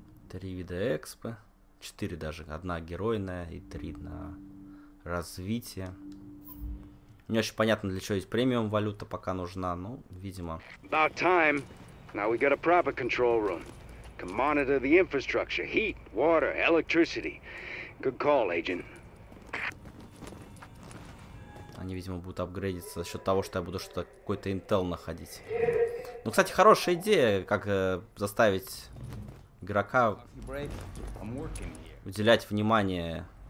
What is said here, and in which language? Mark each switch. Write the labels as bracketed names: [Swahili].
[Russian] Три вида экспы. Четыре даже. Одна геройная и три на развитие. Не очень понятно, для чего есть премиум валюта пока нужна, но, видимо... [English] About time. Now we got a proper control room. Can monitor the infrastructure, heat, water, electricity. Good call, agent. [Russian] Они, видимо, будут апгрейдиться за счет того, что я буду что-то, какой-то Intel находить. Ну, кстати, хорошая идея, как заставить игрока уделять внимание...